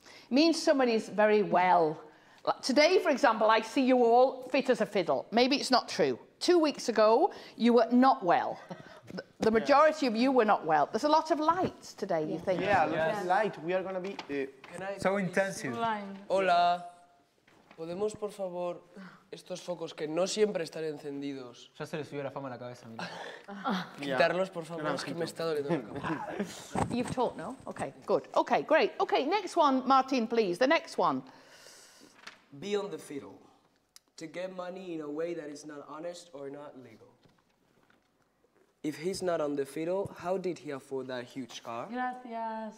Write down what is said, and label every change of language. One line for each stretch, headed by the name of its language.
English: Means somebody's very well. Today, for example, I see you all fit as a fiddle. Maybe it's not true. 2 weeks ago, you were not well. The majority of you were not well. There's a lot of lights today, you think? Yeah, lots of light. We are going to be so intensive.
Spanish: Hola. ¿Podemos, por favor, estos focos que no siempre están encendidos? Ya se le subió la fama a la cabeza, mira. Quitarlos, por favor, es que me está doliendo la cabeza.
English: You've taught, no? Okay, good. Okay, great. Okay, next one, Martin, please. The next one. Be on the fiddle. To get money in a way that is not honest or not legal. If he's not on the fiddle, how did he afford that huge car?
Spanish: Gracias.